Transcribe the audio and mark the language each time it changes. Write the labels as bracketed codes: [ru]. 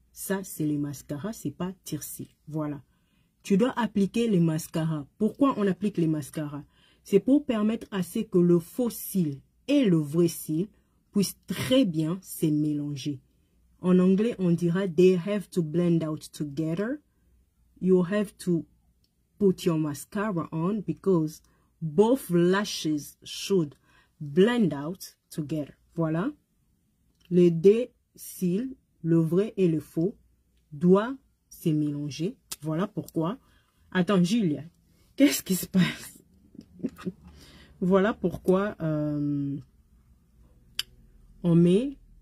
[fr] Ça, c'est le mascara, c'est pas tire-cils. Voilà. Tu dois appliquer les mascaras. Pourquoi on applique les mascaras? C'est pour permettre à ce que le faux cil et le vrai cil puissent très bien se mélanger. En anglais, on dira [en] they have to blend out together. You have to put your mascara on because both lashes should blend out together. [fr] Voilà. Les deux cils, le vrai et le faux, doivent se mélanger. Voilà pourquoi. Attends, Julia, qu'est-ce qui se passe? Voilà pourquoi on met.